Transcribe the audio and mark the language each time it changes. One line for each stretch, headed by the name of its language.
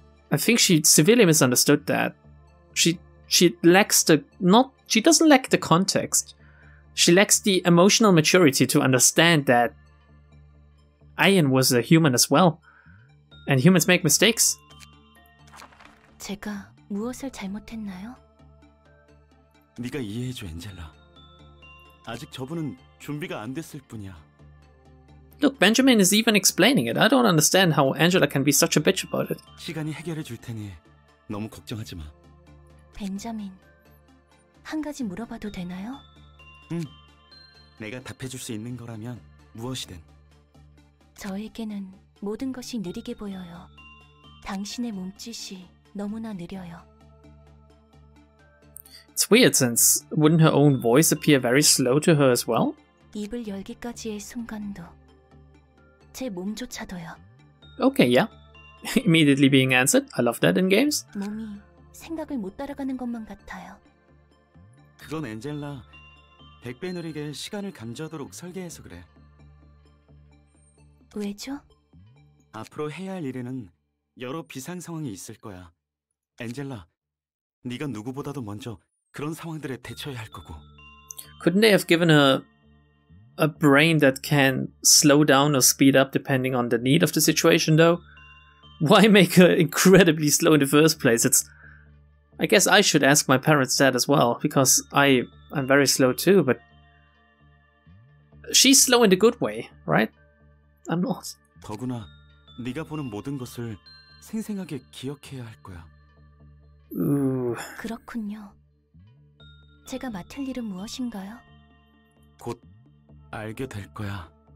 English: I think she severely misunderstood that. She doesn't lack the context. She lacks the emotional maturity to understand that Ayn was a human as well. And humans make mistakes.
Korean: 제가 무엇을 잘못했나요? 네가 이해해줘, 엔젤라. 아직 저분은 준비가 안 됐을 뿐이야.
English: Look, Benjamin is even explaining it. I don't understand how Angela can be such a bitch about it.
Korean: 시간이 해결해 줄 테니 너무 걱정하지 마. 벤자민, 한 가지 물어봐도 되나요? 응. 내가 답해줄 수 있는 거라면 무엇이든. 저에게는 모든 것이 느리게 보여요. 당신의 몸짓이 너무나 느려요.
English: It's weird since wouldn't her own voice appear very slow to her as well?
Korean: 입을 열기까지의 순간도 제 몸조차도요.
English: Okay, yeah. Immediately being answered. I love that in games.
Korean: 몸이 생각을 못 따라가는 것만 같아요. 그건 엔젤라. 100배 느리게 시간을 감지하도록 설계해서 그래. 왜죠? 앞으로 해야 할 일에는 여러 비상 상황이 있을 거야. 엔젤라, 네가 누구보다도 먼저 그런 상황들에 대처해야 할 거고.
English: Couldn't they have given her a brain that can slow down or speed up depending on the need of the situation, though? Why make her incredibly slow in the first place? It's, I guess I should ask my parents that as well, because I'm very slow too, but she's slow in the good way, right? I'm not.
Korean: 더구나 네가 보는 모든 것을 생생하게 기억해야 할 거야. 그렇군요. 제가 맡을 일은 무엇인가요? 곧 알게 될 거야.